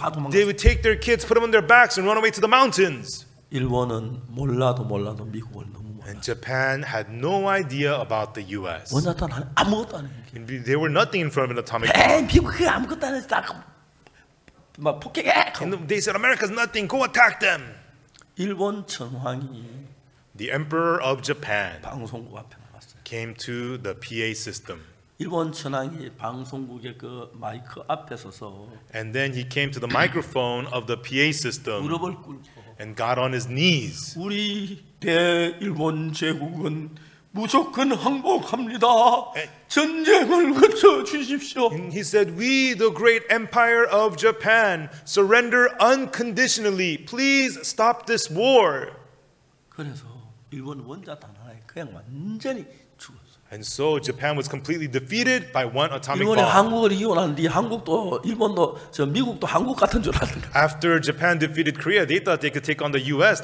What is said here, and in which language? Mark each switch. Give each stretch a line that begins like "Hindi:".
English: They would take their kids, put them on their backs, and run away to the mountains.
Korean: 일본은 몰라도 몰라도 미국을 너무 몰라.
English: And Japan had no idea about the U.S.
Korean: 원자탄 아무것도 안 했지.
English: They were nothing in front of an atomic bomb.
Korean: 에이, 미국 그 아무것도 안 했어. 막 폭격해.
English: And they said, America's nothing. Go attack them.
Korean: 일본 천황이.
English: The Emperor of Japan.
Korean: 방송국 앞에.
English: Came to the PA system.
Korean: 일본 천황이 방송국의 그 마이크 앞에 서서.
English: And then he came to the microphone of the PA system.
Korean: 무릎을 꿇고.
English: And got on his knees.
Korean: 우리 대 일본 제국은 무조건 항복합니다. 전쟁을 그쳐 주십시오.
English: And he said, "We, the great empire of Japan, surrender unconditionally. Please stop this war."
Korean: 그래서 일본 원자탄 하나에 그냥 완전히.
English: And so Japan was completely defeated by one atomic bomb. After Japan defeated Korea, they thought they could take on the U.S.